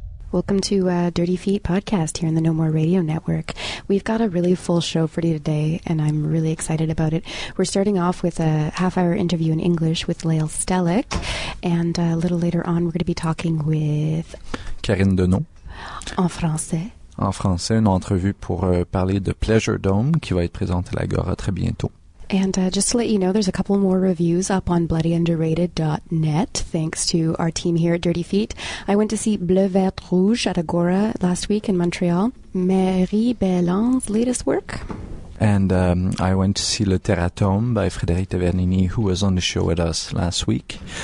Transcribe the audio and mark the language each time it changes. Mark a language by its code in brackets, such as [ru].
[en] Welcome to Dirty Feet Podcast here in the No More Radio Network. We've got a really full show for you today, and I'm really excited about it. We're starting off with a half-hour interview in English with Lael Stelic, and a little later on we're going to be talking with... Karine Denon. [fr] En français. En français, une entrevue pour parler de Pleasure Dome, qui va être présentée à l'Agora très bientôt. [en] And just to let you know, there's a couple more reviews up on bloodyunderrated.net, thanks to our team here at Dirty Feet. I went to see Bleu Vert Rouge at Agora last week in Montreal. Marie Bellon's latest work. And I went to see Le Teratome by Frédéric Tavernini, who was on the show with us last week.